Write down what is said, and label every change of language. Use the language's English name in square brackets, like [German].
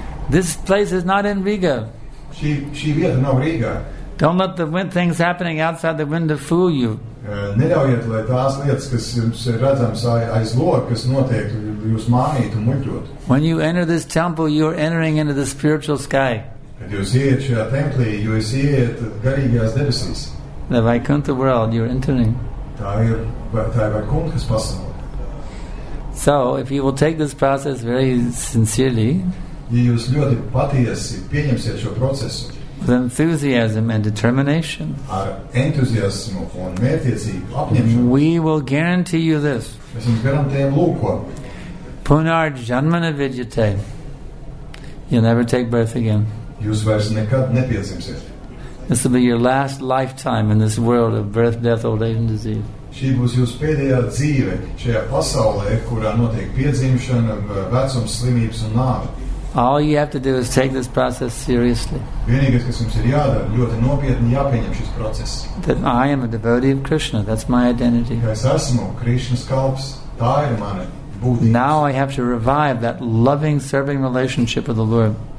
[English] This place is not in Riga. [Latvian] Šī vieta nav Rīgā. [English] Don't let the wind things happening outside the window fool you. [Latvian] Neļaujiet, lai tās lietas, kas jums redzams aiz loga, kas notiek, jūs mānīt un muļķot. [English] When you enter this temple, you are entering into the spiritual sky. [Latvian] Kad jūs ieiet šajā templī, jūs ieiet garīgajās debesīs. [English] The Vaikuntha world, you are entering. [Latvian] Tā ir Vaikunthas pasaule. [English] So, if you will take this process very sincerely, [Latvian] ja jūs ļoti patiesi pieņemsiet šo procesu, [English] with enthusiasm and determination, [Latvian] ar entuziasmu un mērķiecību apņemšanu, [English] we will guarantee you this. [Latvian] Mēs jums garantējam lūko. [Sanskrit] Punar janmana vidyate. [English] You'll never take birth again. [Latvian] Jūs vairs nekad nepiedzimsiet. [English] This will be your last lifetime in this world of birth, death, old age and disease. [Latvian] Šī būs jūsu pēdējā dzīve šajā pasaulē, kurā notiek piedzimšana, vecums, slimības un nāve. [English] All you have to do is take this process seriously. [Latvian] Vienīgais, kas jums ir jādara, ļoti nopietni jāpieņem šis process. [English] That I am a devotee of Krishna, that's my identity. [Latvian] Es esmu Krishna kalps, tā ir mana būtība. [English] Now I have to revive that loving, serving relationship with the Lord.